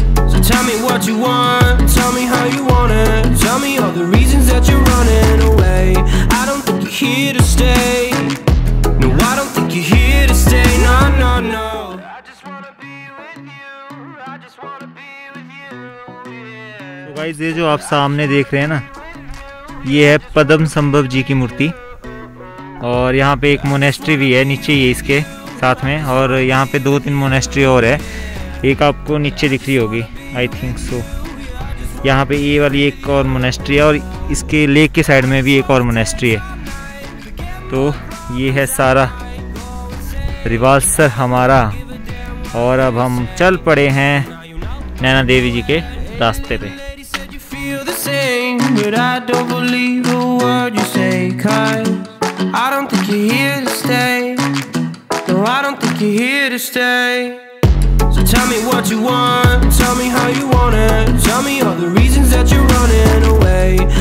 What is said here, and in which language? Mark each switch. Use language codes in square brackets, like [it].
[en] So tell me what you want, tell me how you want it, tell me all the reasons that you're running away. I don't think you're here to stay. No, I don't think you're here to stay. No, no, no. I just wanna be with you. I just wanna be with you. [hi] Yeah. So guys, ये जो आप सामने देख रहे हैं ना, ये है पद्म संभव जी की मूर्ति, और यहाँ पे एक मोनेस्ट्री भी है नीचे ये इसके साथ में, और यहाँ पे दो तीन मोनेस्ट्री और है। एक आपको नीचे दिख रही होगी, [en] I think so, [hi] यहाँ पे ये वाली एक और मोनेस्ट्री है, और इसके लेक के साइड में भी एक और मोनेस्ट्री है। तो ये है सारा रिवालसर हमारा, और अब हम चल पड़े हैं नैना देवी जी के रास्ते पर। [en] But I don't believe a word you say, 'cause I don't think you're here to stay. No, I don't think you're here to stay. So tell me what you want, tell me how you want it, tell me all the reasons that you're running away.